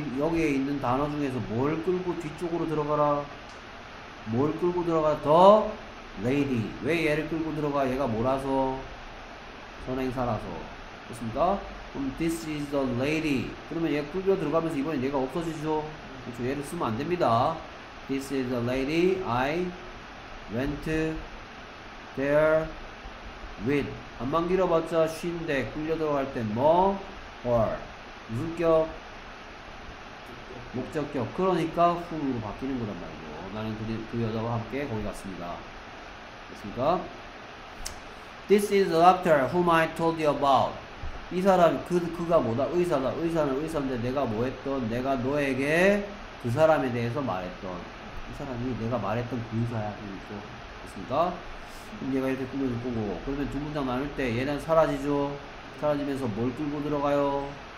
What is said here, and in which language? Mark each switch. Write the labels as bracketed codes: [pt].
[ko] 여기에 있는 단어 중에서 뭘 끌고 뒤쪽으로 들어가라. 뭘 끌고 들어가라. 더 레이디. 왜 얘를 끌고 들어가? 얘가 뭐라서? 선행사라서. 그렇습니까? 그럼 [en] this is the lady. [ko] 그러면 얘 끌려 들어가면서 이번에 얘가 없어지죠. 그렇죠. 얘를 쓰면 안 됩니다. [en] This is the lady I went there with. [ko] 안만 길어봤자 she인데 끌려 들어갈 때 뭐? or 무슨 격? 목적격. 그러니까 who로 바뀌는 거란 말이죠. 나는 그 여자와 함께 거기 갔습니다. 됐습니까? [en] This is the doctor whom I told you about. [ko] 이 사람 그가 뭐다? 의사다. 의사는 의사인데 내가 뭐 했던? 내가 너에게 그 사람에 대해서 말했던 이 사람이 내가 말했던 그 의사야. 그렇죠? 됐습니까? 그럼 얘가 이렇게 끌려줄 거고 그러면 두 문장 나눌 때 얘는 사라지죠. 사라지면서 뭘 끌고 들어가요?